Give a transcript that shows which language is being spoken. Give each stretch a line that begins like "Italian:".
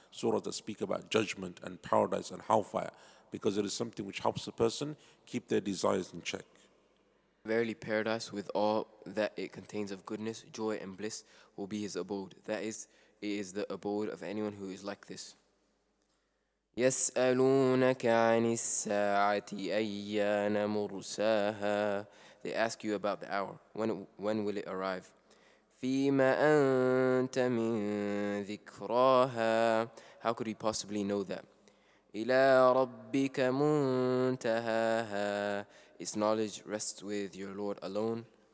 English: Surahs that speak about judgment and paradise and hellfire, because it is something which helps a person keep their desires in check. Verily, paradise with all that it contains of goodness, joy and bliss will be his abode. That is, it is the abode of anyone who is like this.
Arabic: يسألونك عن الساعة أيان مرساها.
English: They ask you about the hour. When will it arrive?
Arabic: فيما أنت من ذكراها.
English: How could we possibly know that?
Arabic: إلى ربك منتهاها.
English: Its knowledge rests with your Lord alone.